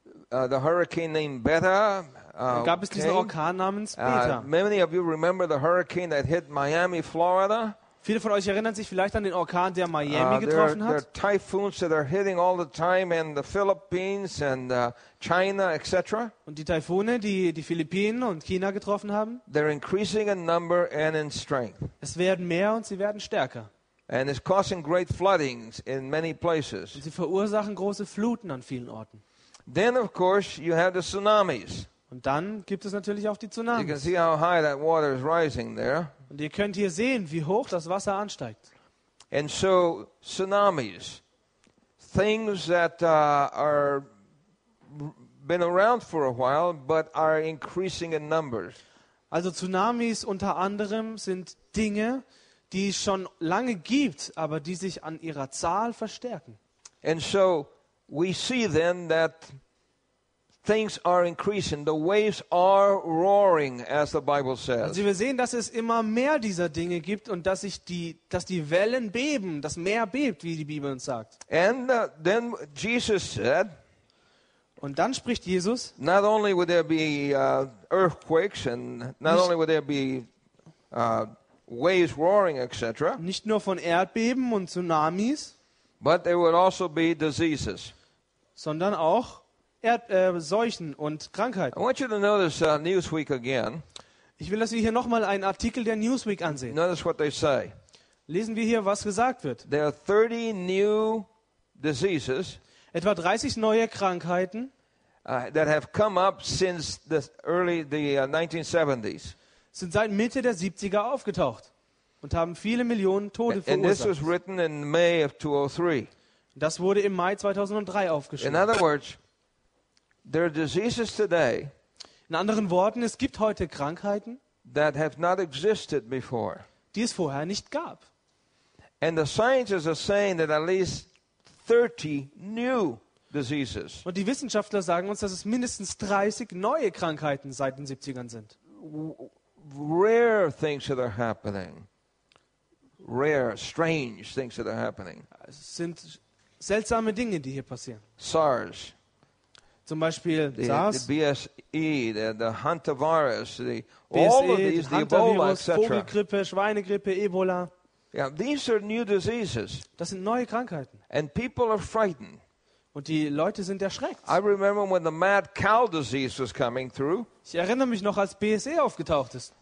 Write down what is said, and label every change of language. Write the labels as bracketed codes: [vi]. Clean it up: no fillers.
[en] the hurricane named Beta. [de] Gab es diesen Orkan namens Beta? [en] Many of you remember the hurricane that hit Miami, Florida. [de] Viele von euch erinnern sich vielleicht an den Orkan, der Miami getroffen hat. [en] There are typhoons that are hitting all the time in the Philippines and China, etc. [de] Und die Taifune, die die Philippinen und China getroffen haben. [en] They're increasing in number and in strength. [de] Es werden mehr und sie werden stärker. [en] And it's causing great floodings in many places. [de] Und sie verursachen große Fluten an vielen Orten. [en] Then, of course, you have the tsunamis. [de] Und dann gibt es natürlich auch die Tsunamis. [en] You can see how high that water is rising there. [de] Und ihr könnt hier sehen, wie hoch das Wasser ansteigt. [en] And so tsunamis, things that are been around for a while, but are increasing in numbers. [de] Also Tsunamis unter anderem sind Dinge, die es schon lange gibt, aber die sich an ihrer Zahl verstärken. [en] And so we see then that things are increasing. The waves are roaring, as the Bible says. [de] Also wir sehen, dass es immer mehr dieser Dinge gibt und dass sich die, dass die Wellen beben, das Meer bebt, wie die Bibel uns sagt. [en] And then Jesus said. [de] Und dann spricht Jesus. [en] Not only would there be earthquakes and not only would there be waves roaring, etc. [de] Nicht nur von Erdbeben und Tsunamis. [en] But there would also be diseases. [de] Sondern auch Seuchen und Krankheiten. [en] I want you to notice Newsweek again. [de] Ich will, dass wir hier nochmal einen Artikel der Newsweek ansehen. [en] Notice what they say. [de] Lesen wir hier, was gesagt wird. [en] There are 30 new diseases. [de] Etwa 30 neue Krankheiten. [en] That have come up since the early the 1970s. [de] Sind seit Mitte der 70er aufgetaucht und haben viele Millionen Tode verursacht. [en] And this was written in May of 2003. [de] Das wurde im Mai 2003 aufgeschrieben. [en] In other words, there are diseases today. [de] In anderen Worten, es gibt heute Krankheiten, [en] that have not existed before. [de] Die es vorher nicht gab. [en] And the scientists are saying that at least 30 new diseases. [de] Und die Wissenschaftler sagen uns, dass es mindestens 30 neue Krankheiten seit den 70ern sind. [en] rare things that are happening. Rare, strange things that are happening. [de] Es sind seltsame Dinge, die hier passieren. [en] SARS. [de] Zum Beispiel [en] the, SARS. The BSE, the hantavirus, the BSE, all of these, the Ebola, etc. [de] Vogelgrippe, Schweinegrippe, Ebola. [en] Yeah, these are new diseases. [de] Das sind neue Krankheiten. [en] And people are frightened. [de] Und die Leute sind erschreckt. [en] I remember when the mad cow disease was coming through. [de] Ich erinnere mich noch, als BSE aufgetaucht ist.